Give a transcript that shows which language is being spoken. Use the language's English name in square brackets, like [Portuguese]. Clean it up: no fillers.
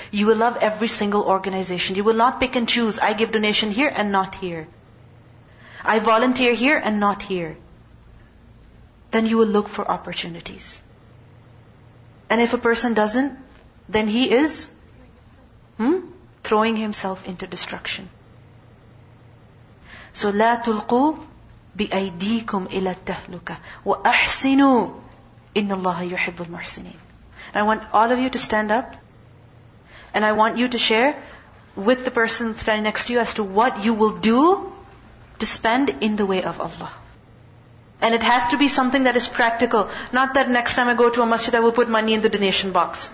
[English] You will love every single organization. You will not pick and choose. I give donation here and not here. I volunteer here and not here. Then you will look for opportunities. And if a person doesn't, then he is... throwing himself into destruction. [Arabic] So لا تلقوا بأيديكم إلى التهلكة وأحسنوا إن الله يحب المحسنين. [English] I want all of you to stand up and I want you to share with the person standing next to you as to what you will do to spend in the way of Allah. And it has to be something that is practical. Not that next time I go to a masjid I will put money in the donation box.